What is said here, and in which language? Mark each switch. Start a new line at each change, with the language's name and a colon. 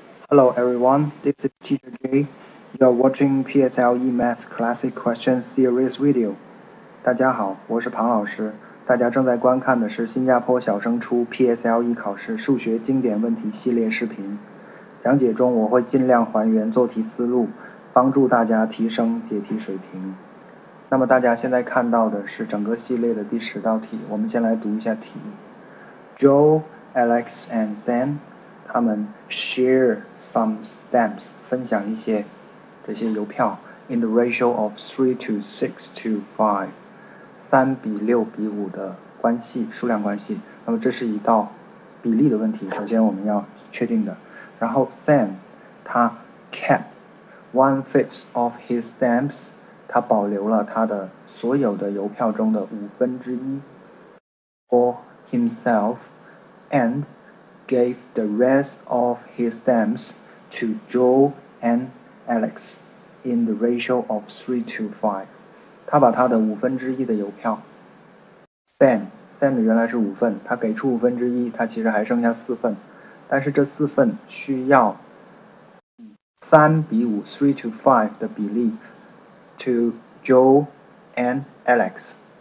English: Hello everyone, this is Teacher K. You're watching PSLE Math Classic Questions Series video.
Chinese: 大家好，我是庞老师。大家正在观看的是新加坡小升初 PSLE 考试数学经典问题系列视频。讲解中我会尽量还原做题思路，帮助大家提升解题水平。那么大家现在看到的是整个系列的第十道题，我们先来读一下题。
English: Joe, Alex and Sam.
Chinese: 他们
English: share some stamps,
Chinese: 分享一些这些邮票
English: in the ratio of 3 to 6 to 5,
Chinese: 3比6比5的关系，数量关系。那么这是一道比例的问题，首先我们要确定的。
English: 然后 Sam,
Chinese: 他
English: kept one-fifth of his stamps,
Chinese: 他保留了他的所有的邮票中的五分之一
English: for himself andgave the rest of his stamps to Joe and Alex in the ratio of 3 to 5.
Chinese: 他把他的五分之一的邮票 Sam 原来是五份，他给出五分之一，他其实还剩下四份，但是这四份需要三比五
English: 3 to 5
Chinese: 的比例
English: to Joe and Alex.